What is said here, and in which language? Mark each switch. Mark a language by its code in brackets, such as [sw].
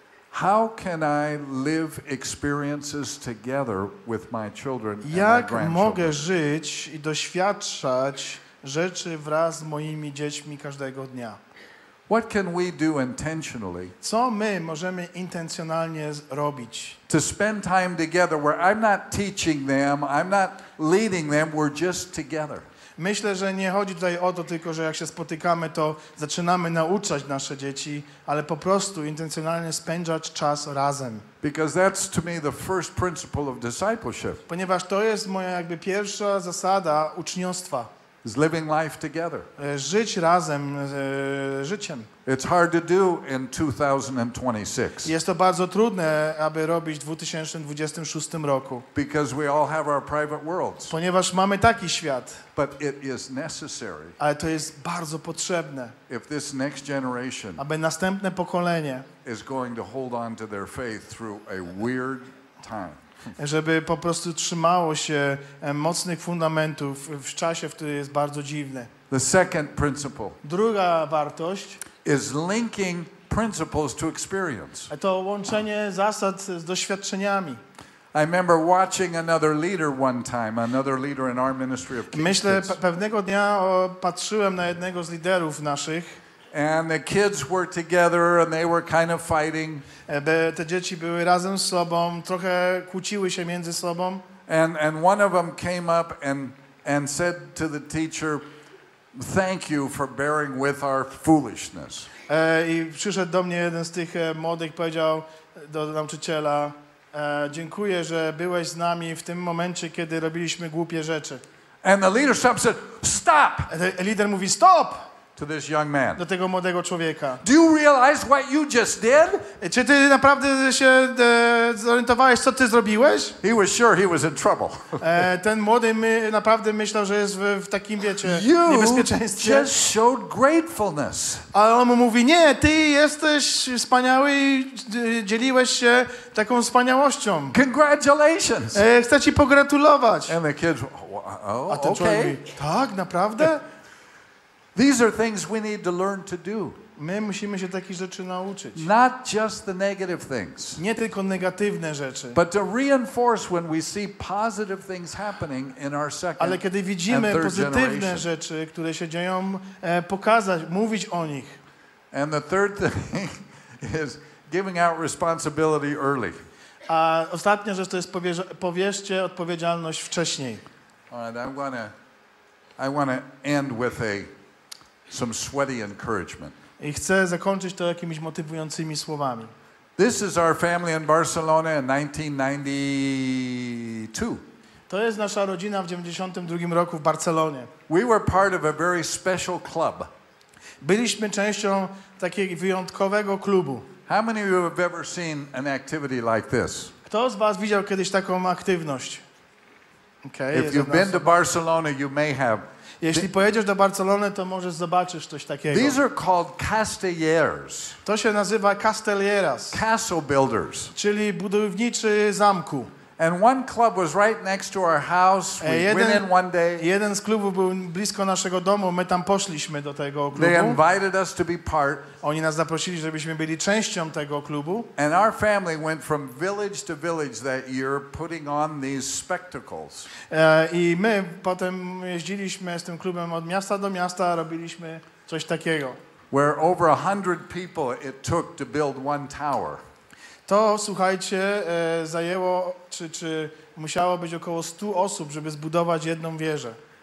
[en] How can I live experiences together with my children and my grandchildren? [pl] Jak mogę żyć i doświadczać rzeczy wraz z moimi dziećmi każdego dnia. [en] What can we do intentionally? [pl] Co my możemy intencjonalnie robić? [en] To spend time together where I'm not teaching them, I'm not leading them, we're just together. [pl] Myślę, że nie chodzi tutaj o to tylko, że jak się spotykamy, to zaczynamy nauczać nasze dzieci, ale po prostu intencjonalnie spędzać czas razem. [en] Because that's to me the first principle of discipleship. [pl] Ponieważ to jest moja jakby pierwsza zasada uczniostwa. [en] Is living life together. [pl] Żyć razem życiem. [en] It's hard to do in 2026. [pl] Jest to bardzo trudne, aby robić w 2026 roku. [en] Because we all have our private worlds. [pl] Ponieważ mamy taki świat. [en] But it is necessary. [pl] Ale to jest bardzo potrzebne. [en] If this next generation, [pl] aby następne pokolenie, [en] is going to hold on to their faith through a weird time. [pl] Żeby po prostu trzymało się mocnych fundamentów w czasie, w którym jest bardzo dziwne. [en] The second principle. [pl] Druga wartość. [en] Is linking principles to experience. [pl] To łączenie zasad z doświadczeniami. [en] I remember watching another leader one time, another leader in our ministry of Kingston. [pl] Myślę, pewnego dnia patrzyłem na jednego z liderów naszych. [en] And the kids were together and they were kind of fighting. [pl] Te dzieci były razem z sobą, trochę kłóciły się między sobą. [en] And one of them came up and said to the teacher, "Thank you for bearing with our foolishness." [pl] I przyszedł do mnie jeden z tych młodych, powiedział do nauczyciela, "Dziękuję, że byłeś z nami w tym momencie, kiedy robiliśmy głupie rzeczy." [en] And the leader stopped and said, "Stop!" [pl] Lider mówi, "Stop!" [en] To this young man. [pl] Do tego młodego człowieka. [en] Do you realize what you just did? [pl] Czy ty naprawdę się zorientowałeś, co ty zrobiłeś? [en] He was sure he was in trouble. [pl] Ten młody naprawdę myślał, że jest w takim, wiecie, niebezpieczeństwie. [en] You just showed gratefulness. [pl] A on mu mówi, nie, ty jesteś wspaniały i dzieliłeś się taką wspaniałością. [en] Congratulations. [pl] Chcę ci pogratulować. [en] And the kids, oh, [pl] a ten człowiek mówi, tak, naprawdę? [en] These are things we need to learn to do. [pl] My musimy się takich rzeczy nauczyć. [en] Not just the negative things. [pl] Nie tylko negatywne rzeczy. [en] But to reinforce when we see positive things happening in our second and third generation. [pl] Ale kiedy widzimy pozytywne rzeczy, które się dzieją, pokazać, mówić o nich. [en] And the third thing is giving out responsibility early. [pl] A ostatnia rzecz to jest powierzcie odpowiedzialność wcześniej. [en] All right, I want to end with some sweaty encouragement. [pl] I chcę zakończyć to jakimiś motywującymi słowami. [en] This is our family in Barcelona in 1992. [pl] To jest nasza rodzina w 92 roku w Barcelonie. [en] We were part of a very special club. [pl] Byliśmy częścią takiego wyjątkowego klubu. [en] How many of you have ever seen an activity like this? [pl] Kto z was widział kiedyś taką aktywność? [en] Okay, if you've been to Barcelona, you may have. [pl] Jeśli pojedziesz do Barcelony, to może zobaczysz coś takiego. [en] These are called castellers. [pl] To się nazywa castelleras. [en] Castle builders. [pl] Czyli budowniczy zamku. [en] And one club was right next to our house. We went in one day. [pl] Jeden z klubów był blisko naszego domu. My tam poszliśmy do tego klubu. [en] They invited us to be part. [pl] Oni nas zaprosili, żebyśmy byli częścią tego klubu. [en] And our family went from village to village that year, putting on these spectacles. [pl] I my potem jeździliśmy z tym klubem od miasta do miasta, robiliśmy coś takiego. [en] Where over 100 people it took to build one tower. [pl] To, słuchajcie, zajęło, czy musiało być około 100 osób, żeby zbudować jedną wieżę.